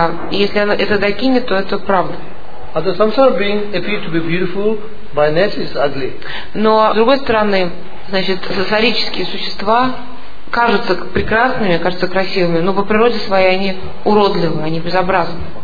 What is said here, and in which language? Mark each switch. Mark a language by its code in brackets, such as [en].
[ru] Если она это Дакини, то это правда. [en] But the samsara being appear to be beautiful, by nature is ugly. [ru] Но с другой стороны, значит, сансарические существа кажутся прекрасными, кажутся красивыми, но по природе своей они уродливы, они безобразны.